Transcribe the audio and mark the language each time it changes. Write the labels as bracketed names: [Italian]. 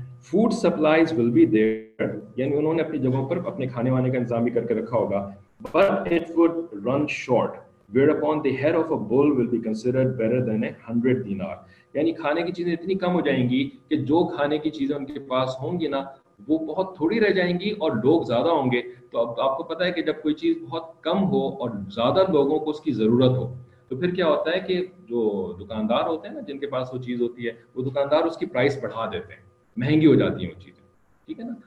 [English] food supplies will be there, [Hindi] यानी उन्होंने अपनी जगहों पर अपने खाने वाने का इंतजाम भी करके रखा होगा। [English] But it would run short, whereupon the head of a bull will be considered better than a 100 dinar. [Hindi] यानी खाने की चीजें इतनी कम हो जाएंगी कि जो खाने की चीजें उनके पास होंगी ना वो बहुत थोड़ी रह जाएंगी और लोग ज्यादा होंगे। तो अब आपको पता है कि जब कोई चीज बहुत कम हो और ज्यादा लोगों को उसकी जरूरत हो तो फिर क्या होता है कि जो दुकानदार होते हैं ना जिनके पास वो चीज होती है वो दुकानदार उसकी प्राइस बढ़ा देते हैं, महंगी हो जाती है वो चीजें, ठीक है ना।